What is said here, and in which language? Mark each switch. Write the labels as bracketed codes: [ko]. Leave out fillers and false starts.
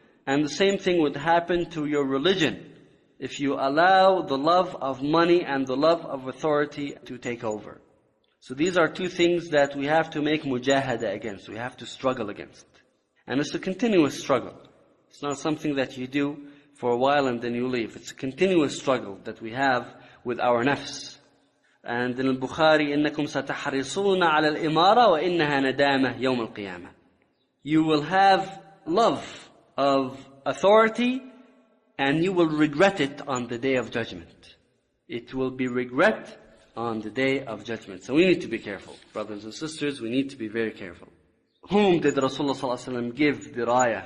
[en] And the same thing would happen to your religion if you allow the love of money and the love of authority to take over. So these are two things that we have to make mujahada against. We have to struggle against. And it's a continuous struggle. It's not something that you do for a while and then you leave. It's a continuous struggle that we have with our nafs. And in al-Bukhari, [ar] إِنَّكُمْ سَتَحْرِصُونَ عَلَى الْإِمَارَةِ وَإِنَّهَا نَدَامَةٌ يَوْمَ الْقِيَامَةِ. [en] You will have love of authority, and you will regret it on the day of judgment. It will be regret on the day of judgment. So we need to be careful, brothers and sisters. We need to be very careful. Whom did Rasulullah ﷺ give the raya?